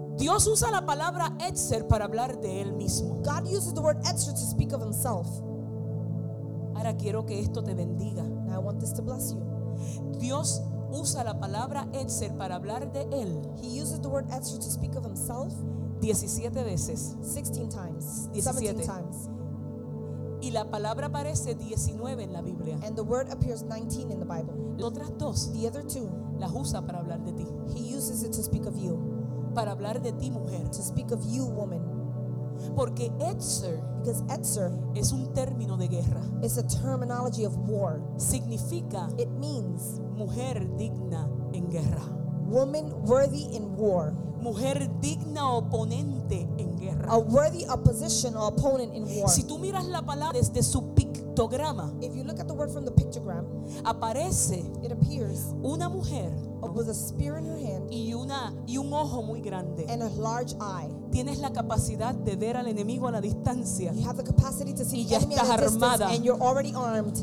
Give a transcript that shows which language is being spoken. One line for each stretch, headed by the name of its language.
Spanish: Dios usa la palabra etzer para hablar de él mismo.
English: God uses the word etzer to speak of himself.
Spanish: Ahora quiero que esto te bendiga.
English: Now I want this to bless you.
Spanish: Dios usa la palabra Etzer para hablar de él.
English: He uses the word Etzer to speak of himself.
Spanish: 17 veces.
English: 16 times. 17 times.
Spanish: Y la palabra aparece 19 en la Biblia.
English: And the word appears 19 in the Bible.
Spanish: Las otras dos.
English: The other two.
Spanish: Las usa para hablar de ti.
English: He uses it to speak of you.
Spanish: Para hablar de ti, mujer.
English: To speak of you, woman.
Spanish: Porque Etzer,
English: because Etzer
Spanish: es un término de guerra.
English: It's a terminology of war.
Spanish: Significa,
English: it means
Spanish: mujer digna en guerra.
English: Woman worthy in war.
Spanish: Mujer digna oponente en guerra.
English: A worthy opposition or opponent in war.
Spanish: Si tú miras la palabra desde su pictograma,
English: if you look at the word from the pictogram,
Spanish: aparece,
English: it appears
Spanish: una mujer
English: with a spear in her hand
Spanish: y un ojo muy grande,
English: and a large eye.
Spanish: Tienes la capacidad de ver al enemigo a la distancia.
English: You have the capacity to see the enemy at a distance, and you're already armed.